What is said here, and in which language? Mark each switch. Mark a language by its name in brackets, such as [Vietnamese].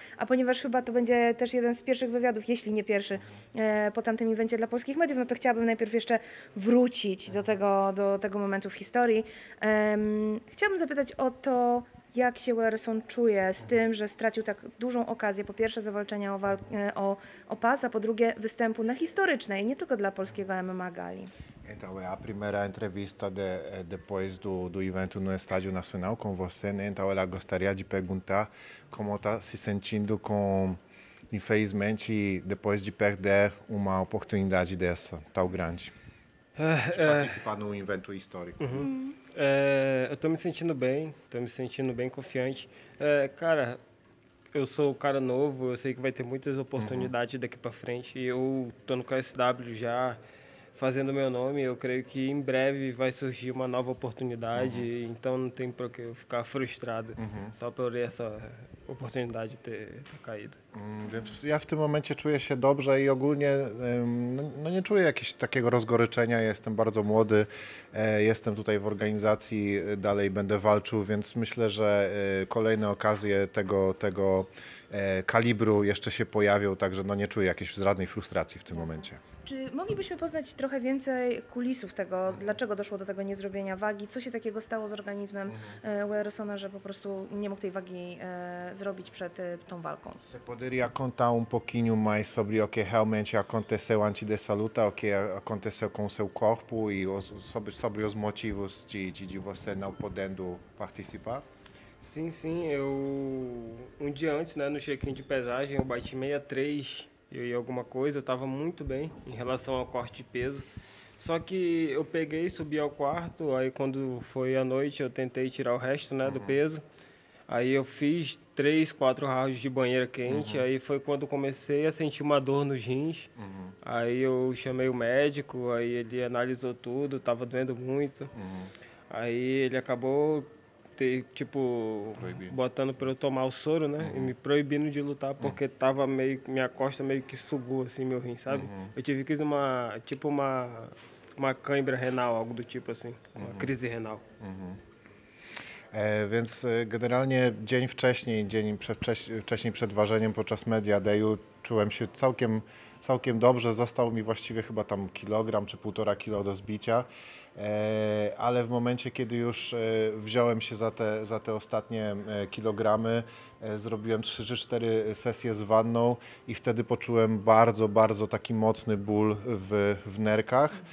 [Polish] A ponieważ chyba to będzie też jeden z pierwszych wywiadów, jeśli nie pierwszy, po tamtym evencie dla polskich mediów, no to chciałabym najpierw jeszcze wrócić do tego momentu w historii. Chciałabym zapytać o to, jak się Wilson czuje z tym, że stracił tak dużą okazję, po pierwsze zawalczenia o pas, a po drugie występu na historycznej, nie tylko dla polskiego MMA gali. [Portuguese] Então, é a primeira entrevista depois do evento no Estádio Nacional com você, né? Então, ela gostaria de perguntar como está se sentindo com, infelizmente, depois de perder uma oportunidade dessa, tão grande. De participar num evento histórico. Uhum. Eu estou me sentindo bem, confiante. Cara, eu sou um cara novo, eu sei que vai ter muitas oportunidades daqui para frente. Eu estou no KSW já, fazendo meu nome, eu creio que em breve vai surgir uma nova oportunidade, então não tem por que eu ficar frustrado só por essa oportunidade ter caído. [Polish] Więc ja w tym momencie czuję się dobrze i ogólnie no nie czuję jakiegoś takiego rozgoryczenia, jestem bardzo młody, jestem tutaj w organizacji, dalej będę walczył, więc myślę, że kolejne okazje tego kalibru jeszcze się pojawią, także no nie czuję jakiejś żadnej frustracji w tym momencie. Czy moglibyśmy poznać trochę więcej kulisów tego, dlaczego doszło do tego niezrobienia wagi, co się takiego stało z organizmem Wilsona, że po prostu nie mógł tej wagi zrobić przed tą walką? [Portuguese] Se poderia contar um pouquinho mais sobre o que realmente aconteceu antes dessa luta, o que aconteceu com seu corpo e sobre os motivos de você não podendo participar? Sim, eu um dia antes, né, no check-in de pesagem, eu bati 63. Eu ia alguma coisa, eu estava muito bem em relação ao corte de peso. Só que eu peguei, subi ao quarto, aí quando foi à noite eu tentei tirar o resto, né, do peso. Aí eu fiz 3-4 rounds de banheira quente, aí foi quando comecei a sentir uma dor nos rins. Aí eu chamei o médico, aí ele analisou tudo, estava doendo muito. Aí ele acabou, tipo, proibindo, botando pra eu tomar o soro, né? E me proibindo de lutar, porque tava meio, minha costa meio que sugou, assim, meu rim, sabe? Eu tive que fazer uma, tipo, uma câimbra renal, algo do tipo, assim, uma crise renal. [Polish] Więc generalnie dzień wcześniej przed ważeniem podczas Media Dayu czułem się całkiem dobrze. Został mi właściwie chyba tam kilogram czy półtora kilo do zbicia, ale w momencie, kiedy już wziąłem się za te ostatnie kilogramy, zrobiłem 3-4 sesje z wanną i wtedy poczułem bardzo, bardzo taki mocny ból w nerkach.